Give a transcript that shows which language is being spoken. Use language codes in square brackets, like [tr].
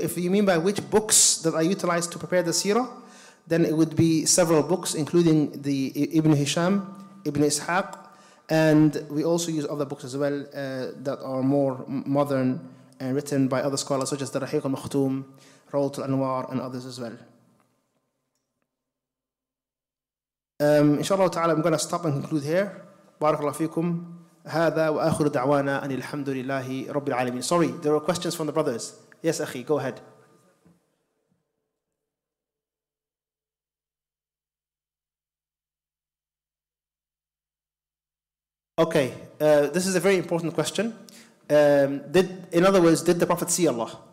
[en] If you mean by which books that I utilize to prepare the seerah, then it would be several books, including the Ibn Hisham, Ibn Ishaq, and we also use other books as well that are more modern and written by other scholars, such as the Rahiq al-Makhtum, Rawat al-Anwar, and others as well. Inshallah ta'ala, I'm going to stop and conclude here. Barakallahu feekum. [ar] هذا وآخر دعوانا أن الحمد لله رب العالمين. [en] Sorry, there are questions from the brothers. Yes, أخي, go ahead. Okay, this is a very important question. Did the Prophet see Allah?